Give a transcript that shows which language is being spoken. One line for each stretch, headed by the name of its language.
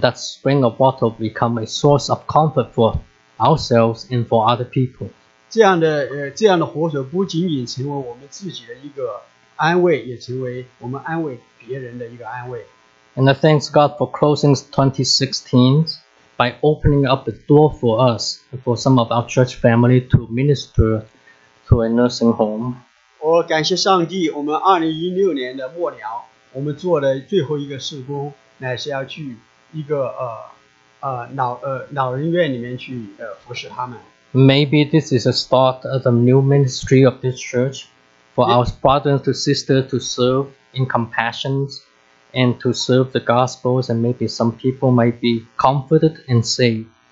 English: that spring of water become a source of comfort for ourselves and for other people.
Chinese: 这样的活水不仅仅成为我们自己的一个 安慰也成为我们安慰别人的一个安慰。
English: And I thanks God for closing 2016 by opening up the door for us, for some of our church family to minister to a nursing home.
Chinese: 我感谢上帝，我们2016年的末了，我们做的最后一个事工，乃是要去一个老人院里面去服侍他们。
English: Maybe this is a start of the new ministry of this church. For our brothers and sisters to serve in compassion and to serve the gospels, and maybe some people might be comforted and saved.